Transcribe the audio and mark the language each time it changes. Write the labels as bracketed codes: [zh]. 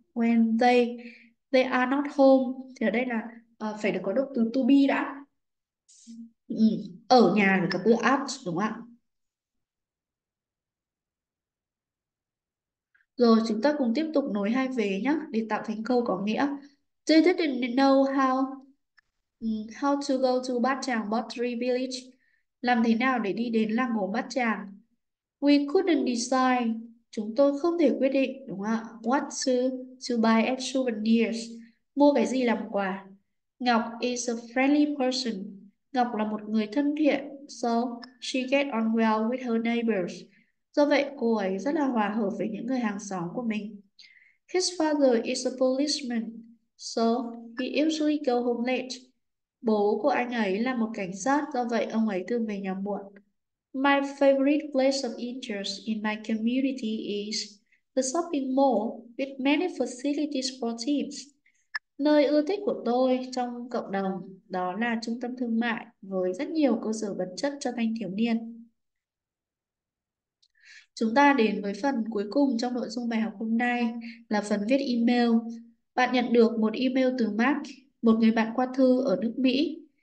[en] When they are not home [vi] thì ở đây là phải được có động từ to be đã. Ở nhà thì có từ at, đúng không ạ? Rồi chúng ta cùng tiếp tục nối hai vế nhá để tạo thành câu có nghĩa. [en] They didn't know how to go to Bát Tràng Pottery Village. [vi] Làm thế nào để đi đến làng gốm Bát Tràng? [en] We couldn't decide. [vi] Chúng tôi không thể quyết định, đúng không ạ? [en] What to buy as souvenirs? [vi] Mua cái gì làm quà? [en] Ngọc is a friendly person. [vi] Ngọc là một người thân thiện. [en] So she get on well with her neighbors. [vi] Do vậy cô ấy rất là hòa hợp với những người hàng xóm của mình. [en] His father is a policeman. So he usually go home late. [vi] Bố của anh ấy là một cảnh sát, do vậy ông ấy thường về nhà muộn. [en] My favorite place of interest in my community is the shopping mall with many facilities for teams. [vi] Nơi ưa thích của tôi trong cộng đồng đó là trung tâm thương mại với rất nhiều cơ sở vật chất cho thanh thiếu niên. Chúng ta đến với phần cuối cùng trong nội dung bài học hôm nay là phần viết email. Bạn nhận được một email từ Mark, một người bạn qua thư ở nước Mỹ.